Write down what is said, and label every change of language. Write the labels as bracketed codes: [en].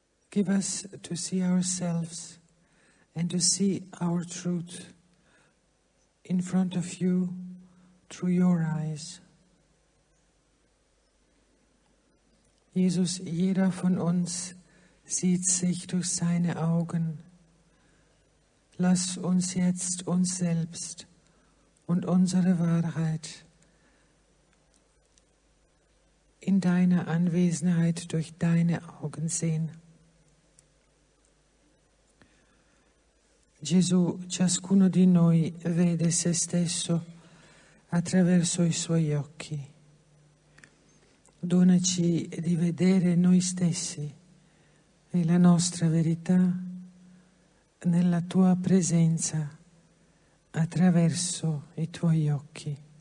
[en] Give us to see ourselves and to see our truth in front of you through your eyes. [de] Jesus, jeder von uns sieht sich durch seine Augen. Lass uns jetzt uns selbst und unsere Wahrheit in deiner Anwesenheit durch deine Augen sehen. [it] Gesù, ciascuno di noi vede se stesso attraverso i suoi occhi. Donaci di vedere noi stessi e la nostra verità nella tua presenza attraverso i tuoi occhi.